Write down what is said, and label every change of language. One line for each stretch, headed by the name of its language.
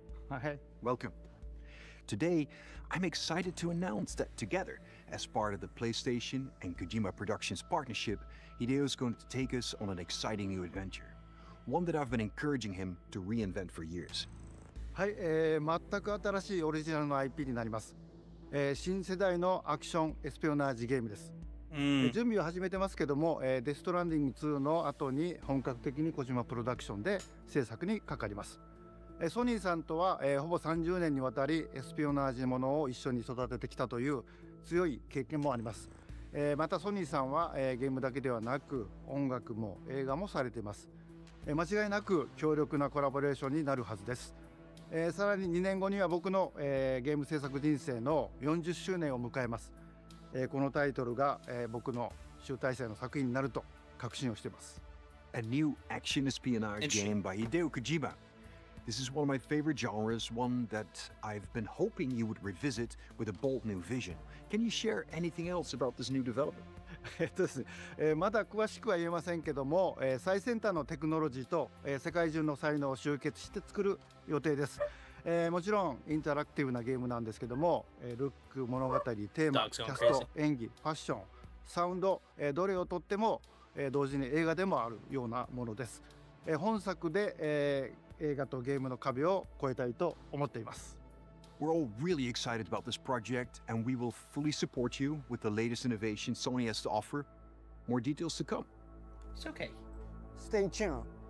English: Hi. Welcome. Today, I'm excited to announce that together, as part of the PlayStation and Kojima Productions partnership, Hideo is going to take us on an exciting new adventure. One that I've been encouraging him to reinvent for years.
Japanese: はい、全く新しいオリジナルの IP になります。新世代のアクションエスピオナージゲームです。準備を始めてますけども、デストランディング2の後に本格的に小島プロダクションで制作にかかります。ソニーさんとは、ほぼ30年にわたりエスピオナージものを一緒に育ててきたという強い経験もあります。またソニーさんは、ゲームだけではなく音楽も映画もされています。間違いなく強力なコラボレーションになるはずです。さらに2年後には僕の、ゲーム制作人生の40周年を迎えます。このタイトルが、僕の集大成の作品になると確信をしています。
English: A new action espionage game by Hideo Kojima. This is one of my favorite genres, one that I've been hoping you would revisit with a bold new vision. Can you share anything else about this new development?
Japanese: まだ詳しくは言えませんけども、最先端のテクノロジーと、世界中の才能を集結して作る予定です。もちろんインタラクティブなゲームなんですけども、ルック、物語、テーマ、キャスト、演技、ファッション、サウンド、どれをとっても、同時に映画でもあるようなものです。本作で、映画とゲームの壁を越えたいと思っています。
English: We're all really excited about this project and we will fully support you with the latest innovation Sony has to offer. More details to come. It's okay. Stay tuned.